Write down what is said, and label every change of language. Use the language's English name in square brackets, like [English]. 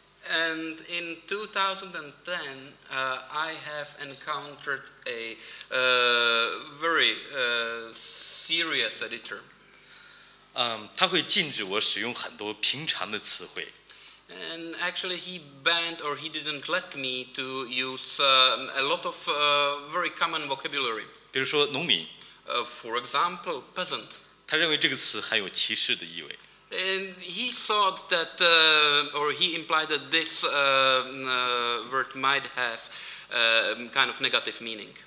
[English] And in 2010, I have encountered a very serious editor. [Chinese] 他会禁止我使用很多平常的词汇。 [English] And actually, he banned or he didn't let me to use a lot of very common vocabulary. [Chinese] 比如说农民。 [English] For example, peasant. [Chinese] 他认为这个词含有歧视的意味。 [English] And he thought that, or he implied that this word might have kind of negative meaning.